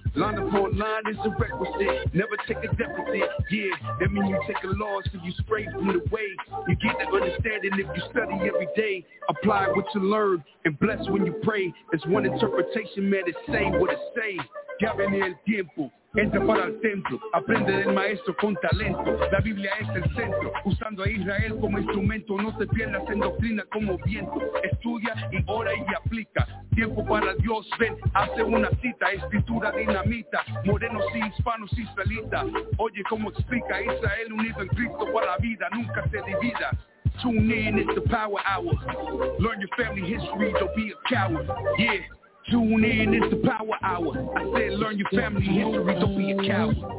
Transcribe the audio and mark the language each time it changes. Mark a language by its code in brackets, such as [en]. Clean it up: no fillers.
[en] Line upon line is a requisite. Never take a deficit. Yeah, that means you take a loss, cause you stray from the way. You get the understanding if you study every day. Apply what you learn and bless when you pray. As one interpretation, man, it say what it say. [es] Ya viene el tiempo. Entra para el templo, aprende del maestro con talento. La Biblia es el centro, usando a Israel como instrumento. No te pierdas en doctrina como viento. Estudia y ora y aplica. Tiempo para Dios, ven, hace una cita. Escritura dinamita, morenos y hispanos y israelitas. Oye cómo explica Israel unido en Cristo para la vida. Nunca se divida. [en] Tune in, it's the power hour. Learn your family history, don't be a coward. Yeah. Tune in, it's the power hour. I said learn your family history, don't be a coward.